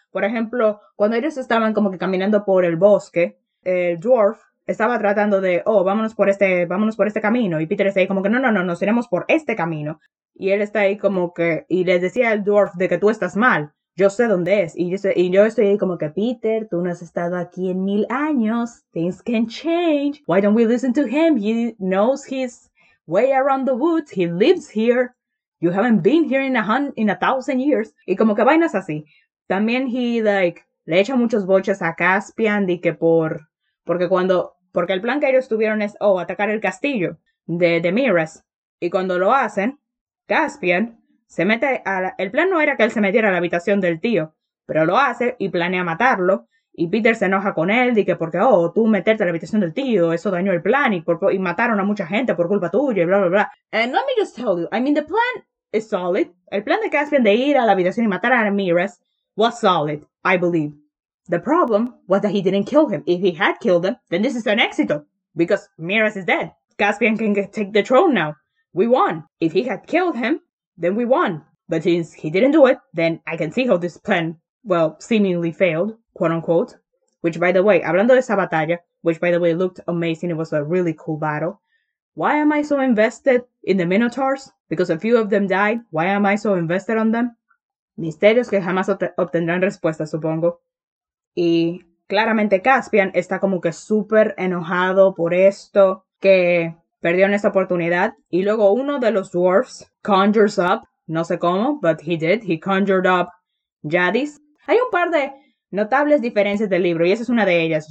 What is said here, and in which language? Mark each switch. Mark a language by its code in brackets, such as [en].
[es] Por ejemplo, cuando ellos estaban como que caminando por el bosque, el dwarf estaba tratando de, oh, vámonos por este camino. Y Peter está ahí como que, no, nos iremos por este camino. Y él está ahí como que, y le decía al dwarf de que tú estás mal. Yo sé dónde es. Y yo estoy ahí como que, Peter, tú no has estado aquí en 1000 años. [en] Things can change. Why don't we listen to him? He knows his way around the woods. He lives here. You haven't been here in a thousand years. [es] Y como que vainas así. También he, like, le echa muchos boches a Caspian, de que porque el plan que ellos tuvieron es, oh, atacar el castillo de Miras. Y cuando lo hacen, Caspian se mete a la... El plan no era que él se metiera a la habitación del tío, pero lo hace y planea matarlo. Y Peter se enoja con él, y que porque, oh, tú meterte a la habitación del tío, eso dañó el plan, y mataron a mucha gente por culpa tuya, y bla, bla, bla. [en] And let me just tell you, I mean, the plan is solid. [es] El plan de Caspian de ir a la habitación y matar a Ramirez [en] was solid, I believe. The problem was that he didn't kill him. If he had killed him, then this is an éxito, because Ramirez is dead. Caspian can take the throne now. We won. If he had killed him, then we won. But since he didn't do it, then I can see how this plan, well, seemingly failed. Quote unquote. Which, by the way, [es] hablando de esa batalla, [en] which, by the way, looked amazing. It was a really cool battle. Why am I so invested in the Minotaurs? Because a few of them died. Why am I so invested on them? [es] Misterios que jamás obtendrán respuesta, supongo. Y claramente Caspian está como que súper enojado por esto, que perdieron esta oportunidad. Y luego uno de los dwarfs [en] conjures up, [es] no sé cómo, [en] but he did. He conjured up Jadis. [es] Hay un par de notables diferencias del libro, y esa es una de ellas.